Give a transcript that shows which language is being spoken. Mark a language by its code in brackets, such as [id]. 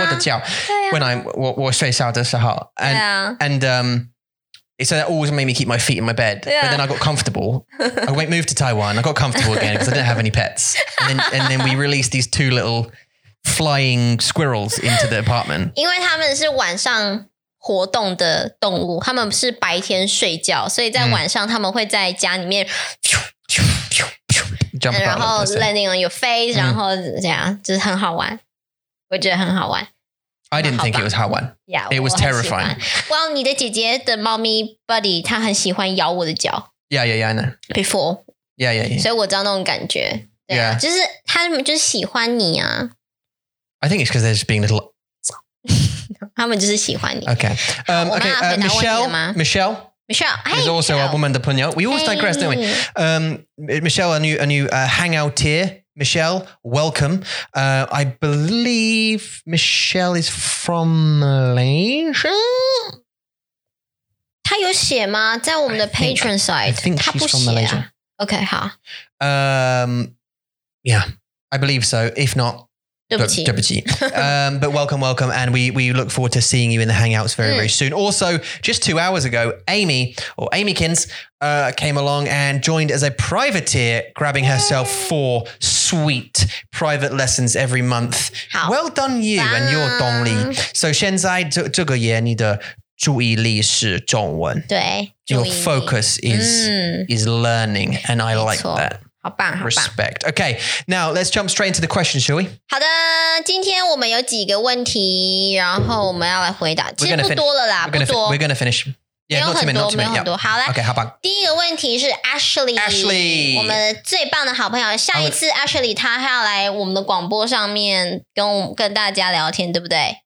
[zh] 咬我的脚。 [en] When I'm, [zh] 我睡觉的时候。 [en] And, so that always made me keep my feet in my bed. Yeah. But then I got comfortable. I went, moved to Taiwan. I got comfortable again because I didn't have any pets. And then we released these two little flying squirrels into the apartment. [zh] 因为他们是晚上活动的动物。他们是白天睡觉。所以在晚上他们会在家里面。 [en] Jump [zh] and 然后 [en] landing on your face, [zh] 然后这样就是很好玩，我觉得很好玩。 [en] I didn't think it was [zh] 好玩 [en] ，Yeah, it was terrifying. [zh] Well, 你的姐姐的猫咪 Buddy， 她很喜欢咬我的脚。 [en] Yeah, yeah, yeah, I know. Before. Yeah, yeah, yeah. [zh] 所以我知道那种感觉。对啊、 [en] yeah. [zh] 就是她们就是喜欢你啊。 [en] I think it's because they're just being little. [zh] 他们就是喜欢你。 [en] Okay. Okay. Michelle, is also Michelle. A woman de Pugno. We always digress, don't we? Michelle, a new hangout here. Michelle, welcome. I believe Michelle is from Malaysia. [zh] 她有写吗？在我们的 [en] patron side. I think she's from Malaysia. Okay, 好。 Yeah, I believe so. If not, [zh] 对不起。 [en] But welcome, and we look forward to seeing you in the hangouts very, very soon. Also, just 2 hours ago, Amykins came along and joined as a privateer, grabbing herself 4 sweet private lessons every month. Well done you and your [zh] 动力。 So 现在这个月你的注意力是中文。对。 [en] Your focus is learning, and I like that. [zh] 好棒, 好棒 [en] Respect. Okay, now let's jump straight into the question, shall we? [zh] 好的，今天我们有几个问题，然后我们要来回答。其实不多了啦，不多。 [en] We're gonna finish. Yeah, not too many, not too many. [zh] 没有很多，好啦。 Okay, 好棒。第一个问题是 Ashley. Ashley. 我们最棒的好朋友，下一次 Ashley 她要来我们的广播上面跟大家聊天，对不对？